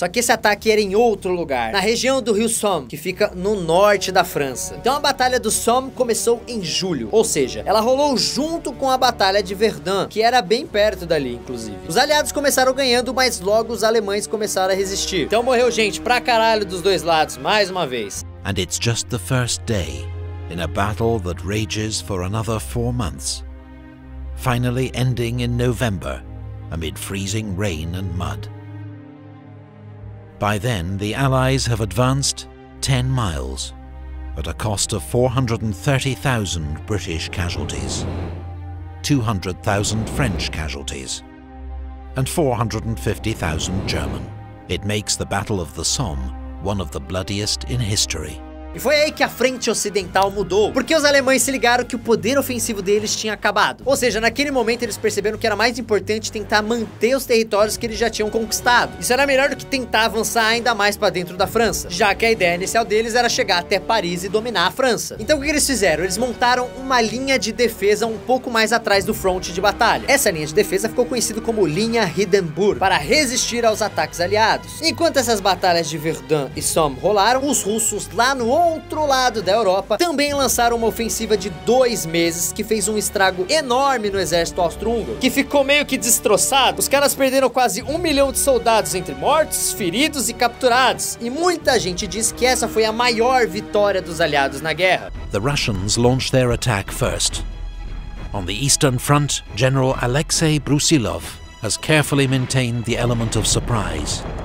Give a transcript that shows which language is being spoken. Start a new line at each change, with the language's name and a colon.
Portuguese: Só que esse ataque era em outro lugar, na região do rio Somme, que fica no norte da França. Então a batalha do Somme começou em julho, ou seja, ela rolou junto com a batalha de Verdun, que era bem perto dali, inclusive. Os aliados começaram ganhando, mas logo os alemães começaram a resistir. Então morreu gente pra caralho dos dois lados, mais uma vez.
English: And it's just the first day in a battle that rages for another 4 months, finally ending in November amid freezing rain and mud. By then, the Allies have advanced 10 miles at a cost of 430,000 British casualties, 200,000 French casualties, and 450,000 German. It makes the Battle of the Somme one of the bloodiest in history.
Portuguese: E foi aí que a frente ocidental mudou, porque os alemães se ligaram que o poder ofensivo deles tinha acabado. Ou seja, naquele momento eles perceberam que era mais importante tentar manter os territórios que eles já tinham conquistado. Isso era melhor do que tentar avançar ainda mais pra dentro da França, já que a ideia inicial deles era chegar até Paris e dominar a França. Então o que eles fizeram? Eles montaram uma linha de defesa um pouco mais atrás do front de batalha. Essa linha de defesa ficou conhecida como Linha Hindenburg, para resistir aos ataques aliados. Enquanto essas batalhas de Verdun e Somme rolaram, os russos lá no outro lado da Europa também lançaram uma ofensiva de 2 meses que fez um estrago enorme no exército austro-húngaro, que ficou meio que destroçado. Os caras perderam quase 1 milhão de soldados entre mortos, feridos e capturados. E muita gente diz que essa foi a maior vitória dos aliados na guerra.
English: The Russians launched their attack first. On the Eastern Front, General Alexei Brusilov has carefully maintained the element of surprise.